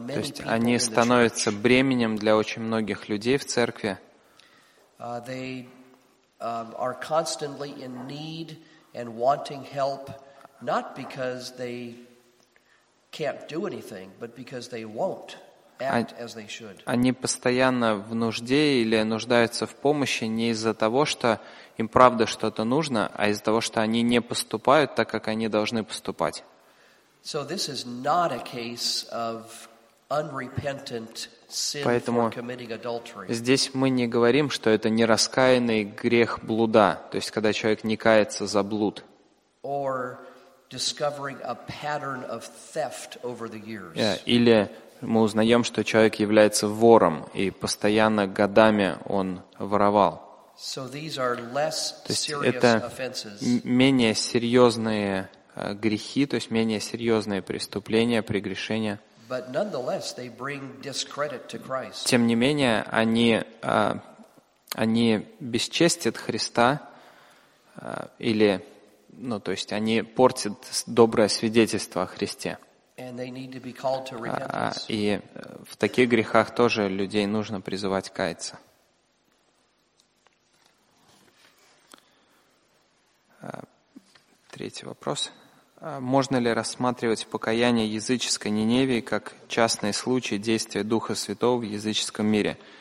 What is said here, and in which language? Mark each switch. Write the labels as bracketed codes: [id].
[ru] есть, они становятся бременем для очень многих людей в церкви. [en] They are constantly in need and wanting help, not because they can't do anything, but because they won't act as they should. [ru] Они постоянно в нужде или нуждаются в помощи не из-за того, что им правда что-то нужно, а из-за того, что они не поступают так, как они должны поступать. [en] So this is not a case of unrepentant sin. [ru] Поэтому [en] for committing adultery. [ru] Здесь мы не говорим, что это нераскаянный грех блуда, то есть когда человек не кается за блуд. [en] Or discovering a pattern of theft over the years. [ru] Yeah, или мы узнаем, что человек является вором и постоянно годами он воровал. [en] So these are less [ru] то есть [en] serious [ru] это [en] offenses. [ru] Менее серьезные грехи, то есть менее серьезные преступления, прегрешения. [en] But nonetheless, they bring discredit to Christ. [ru] Тем не менее, они бесчестят Христа, или, ну, то есть, они портят доброе свидетельство о Христе. [en] And they need to be called to repentance. [ru] И в таких грехах тоже людей нужно призывать каяться. Третий вопрос. Можно ли рассматривать покаяние языческой Ниневии как частный случай действия Духа Святого в языческом мире?